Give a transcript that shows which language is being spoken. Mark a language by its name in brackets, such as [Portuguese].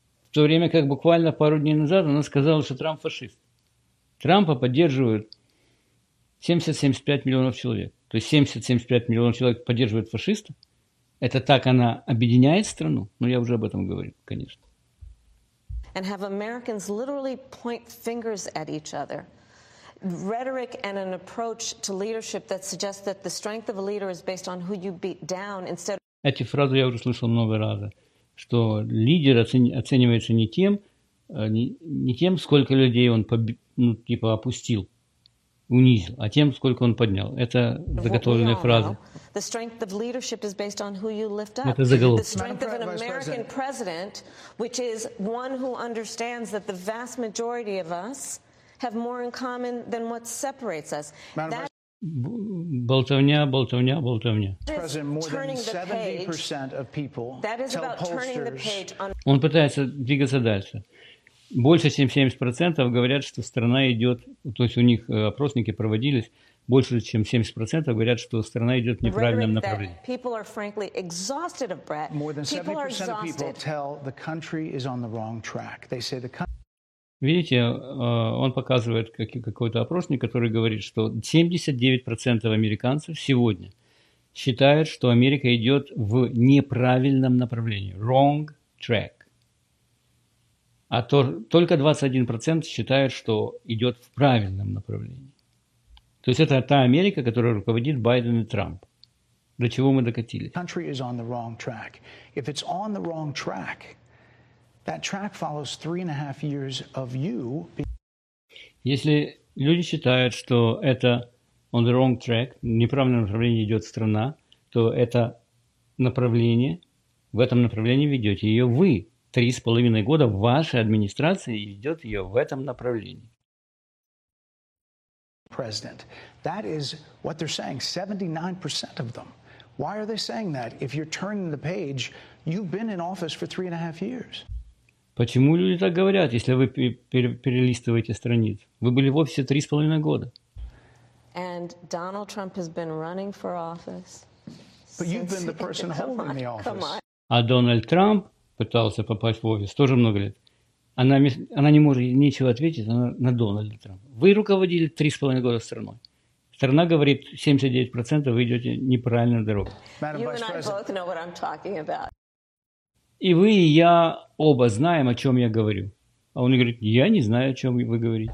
[Russian] В то время как буквально пару дней назад она сказала, что Трамп фашист. Трампа поддерживают 70-75 миллионов человек. То есть 70-75 миллионов человек поддерживают фашиста. Это так она объединяет страну? Ну, я уже об этом говорил, конечно. [English] And have Americans literally point fingers at each other. Rhetoric and an approach to leadership that suggests that the strength of a leader is based on who you beat down instead of... [Russian] Эти фразы я уже слышал много раз, что лидер оценивается не тем, сколько людей он опустил, унизил, а тем, сколько он поднял. Это заготовленные фразы. [English] The strength of leadership is based on who you lift up. [Russian] Это заголовок. [English] The strength of an American president, which is one who understands that the vast majority of us have more in common than what separates us. That... [Russian] Болтовня. [English] Turning the page. That is about turning the page. [Russian] Он пытается двигаться дальше. Больше чем 70% говорят, что страна идет, то есть у них опросники проводились, больше чем 70% говорят, что страна идет в неправильном направлении. [English] People are frankly exhausted of Brett. More than 70% of people tell the country is on the wrong track. They say the country... [Russian] Видите, он показывает какой-то опросник, который говорит, что 79% американцев сегодня считают, что Америка идет в неправильном направлении. [English] Wrong track. [Russian] А только 21% считают, что идет в правильном направлении. То есть это та Америка, которая руководит Байден и Трамп. До чего мы докатились? [English] That track follows 3.5 years of you. [Russian] Если люди считают, что это [English] on the wrong track, [Russian] в неправильном направлении идет страна, то это направление, в этом направлении ведете ее вы. 3.5 года ваша администрация ведет ее в этом направлении. [English] President, that is what they're saying, 79% of them. Why are they saying that? If you're turning the page, you've been in office for 3.5 years. [Russian] Почему люди так говорят, если вы перелистываете страниц? Вы были в офисе 3.5 года. [English] And Donald Trump has been running for office. But you've been the person holding the office. [Russian] А Дональд Трамп пытался попасть в офис тоже много лет. Она не может ничего ответить на Дональда Трампа. Вы руководили 3.5 года страной. Страна говорит, 79% вы идете неправильной дорогой. [English] You and I both know what I'm talking about. [Russian] И вы, и я оба знаем, о чем я говорю. А он говорит, я не знаю, о чем вы говорите.